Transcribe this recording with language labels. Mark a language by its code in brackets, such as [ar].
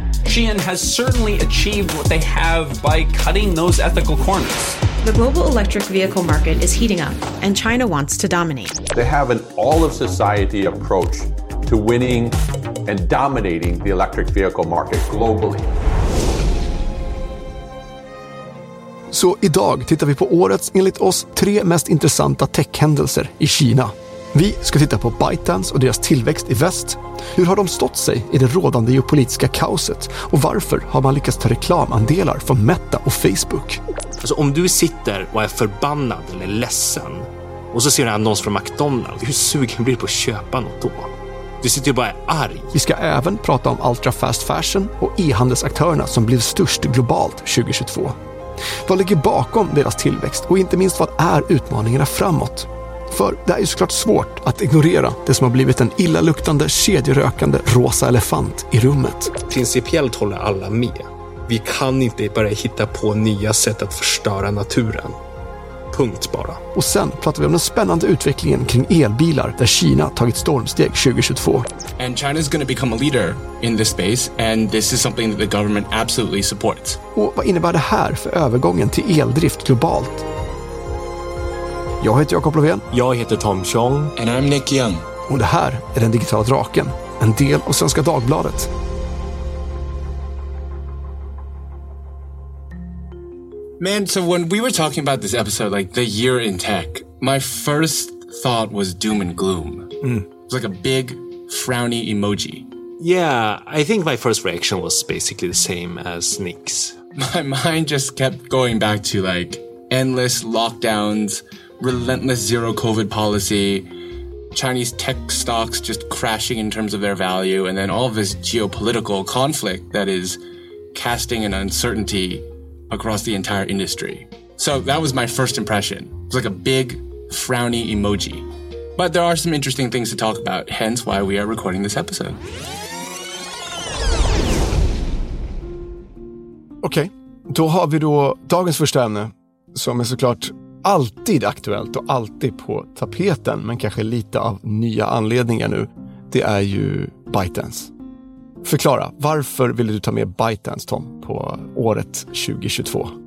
[en] Shein has certainly achieved what they have by cutting those ethical corners. The global electric vehicle market is heating up, and China wants to dominate. They have an all-of-society approach to winning and dominating the electric vehicle market globally. [sv] Så idag tittar vi på årets, enligt oss, tre mest intressanta tech-händelser i Kina. Vi ska titta på ByteDance och deras tillväxt i väst. Hur har de stått sig i det rådande geopolitiska kaoset? Och varför har man lyckats ta reklamandelar från Meta och Facebook? Alltså, om du sitter och är förbannad eller ledsen och så ser du en annons från McDonald's, hur sugen blir du på att köpa något då? Du sitter ju bara arg. Vi ska även prata om ultra fast fashion och e-handelsaktörerna som blev störst globalt 2022. Vad ligger bakom deras tillväxt och inte minst vad är utmaningarna framåt? För det är ju såklart svårt att ignorera det som har blivit en illaluktande, kedjerökande, rosa elefant i rummet. Principiellt håller alla med. Vi kan inte bara hitta på nya sätt att förstöra naturen. Punkt bara. Och sen pratar vi om den spännande utvecklingen kring elbilar där Kina tagit stormsteg 2022. [en] And China is going to become a leader in this space, and this is something that the government absolutely supports. [sv] Och vad innebär det här för övergången till eldrift globalt? Jag heter Jakob Löfven. Jag heter Tom Chong. [en] And I'm Nick Young. [sv] Och det här är Den digitala draken, en del av Svenska Dagbladet. [en] Man, so when we were talking about this episode, like the year in tech, my first thought was doom and gloom. Mm. It was like a big frowny emoji. Yeah, I think my first reaction was basically the same as Nick's. My mind just kept going back to like endless lockdowns, relentless zero COVID policy, Chinese tech stocks just crashing in terms of their value, and then all of this geopolitical conflict that is casting an uncertainty across the entire industry. So that was my first impression. It was like a big frowny emoji. But there are some interesting things to talk about, hence why we are recording this episode. [sv] Okej, okay. Då har vi då dagens första ämne som är såklart alltid aktuellt och alltid på tapeten, men kanske lite av nya anledningar nu. Det är ju ByteDance. Förklara, varför ville du ta med ByteDance, Tom, på året 2022?